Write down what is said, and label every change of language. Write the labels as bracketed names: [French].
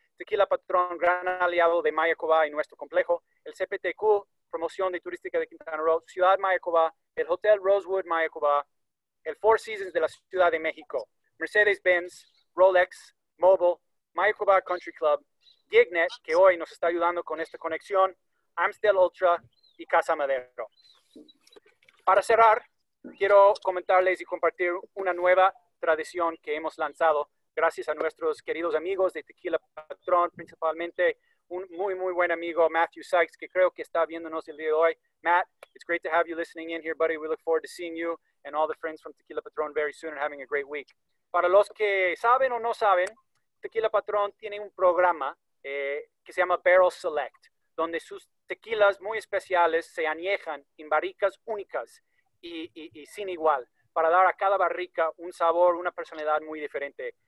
[Spanish] Tequila Patrón, gran aliado de Mayakoba y nuestro complejo, el CPTQ, promoción de turística de Quintana Roo, Ciudad Mayakoba, el Hotel Rosewood Mayakoba, el Four Seasons de la Ciudad de México, Mercedes-Benz, Rolex, Mobile, Mayakoba Country Club, Gignet, que hoy nos está ayudando con esta conexión, Amstel Ultra y Casa Madero. Para cerrar, quiero comentarles y compartir una nueva tradición que hemos lanzado gracias a nuestros queridos amigos de Tequila Patrón, principalmente un muy, muy buen amigo, Matthew Sykes, que creo que está viéndonos el día de hoy. [English] Matt, it's great to have you listening in here, buddy. We look forward to seeing you and all the friends from Tequila Patrón very soon and having a great week. [Spanish] Para los que saben o no saben, Tequila Patrón tiene un programa que se llama Barrel Select, donde sus tequilas muy especiales se añejan en barricas únicas y sin igual, para dar a cada barrica un sabor, una personalidad muy diferente.